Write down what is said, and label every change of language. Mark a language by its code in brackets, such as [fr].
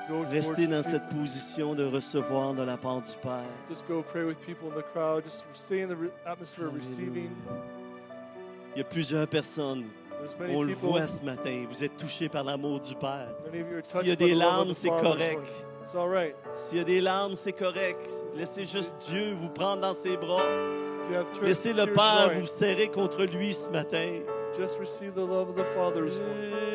[fr] Rester dans cette position de recevoir de la part du Père. [en] Just go pray with people in the crowd. Just stay in the atmosphere of receiving. [fr] Il y a plusieurs personnes. On le voit ce matin. Vous êtes touchés par l'amour du Père. S'il y a des larmes, c'est correct. [en] It's all right. [fr] S'il y a des larmes, c'est correct. Laissez juste Dieu vous prendre dans ses bras. Laissez le Père vous serrer contre lui ce matin. [en] Just receive the love of the Father this morning.